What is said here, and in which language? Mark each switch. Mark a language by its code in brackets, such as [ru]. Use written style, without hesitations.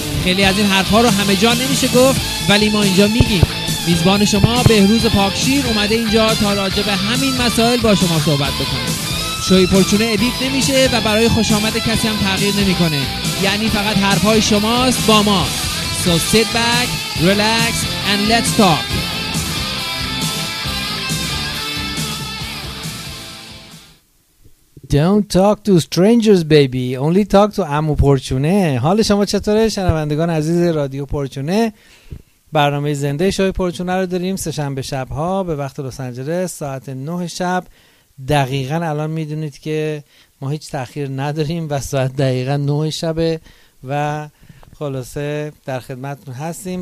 [fa] خیلی از این حرفها رو همه جا نمیشه گفت ولی ما اینجا میگیم. میزبان شما بهروز پاکشیر اومده اینجا تا راجب همین مسائل با شما صحبت بکنه. شوی پرچونه ادیت نمیشه و برای خوشامد کسی هم تغییر نمیکنه، یعنی فقط حرفهای شماست با ما. [en] So sit back, relax and let's talk. Don't talk to strangers baby, only talk to عمو پرچونه. [fa] حال شما چطوره شنوندگان عزیز رادیو پرچونه؟ برنامه زنده شوی پرچونه رو داریم سه‌شنبه شب‌ها به وقت لس آنجلس ساعت 9 شب. دقیقاً الان میدونید که ما هیچ تأخیر نداریم و ساعت دقیقاً 9 شبه و خلاصه در خدمتتون هستیم.